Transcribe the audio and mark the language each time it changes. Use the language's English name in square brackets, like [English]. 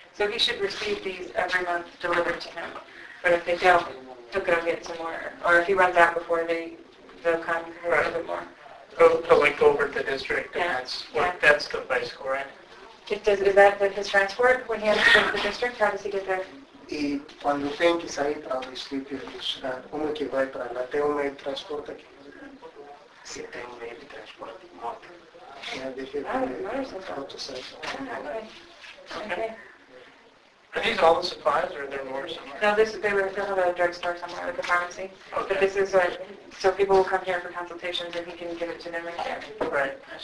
[English] So he should receive these every month delivered to him. But if they don't, he'll go get some more. Or if he runs out before they'll come a little bit more. He'll link over to the district, and that's the bicycle, right? Is that his transport when he has to go to the district? How does he get there? [Portuguese] E quando tem que sair para o distrito, como é que vai para lá? Tem um meio de transporte aqui? se tem um meio de transporte de moto. [English] Are these all the supplies, or are there more somewhere? No, this is, they were filled at a drugstore somewhere with the pharmacy. Okay. But this is what, so people will come here for consultations and he can give it to them right there. Right.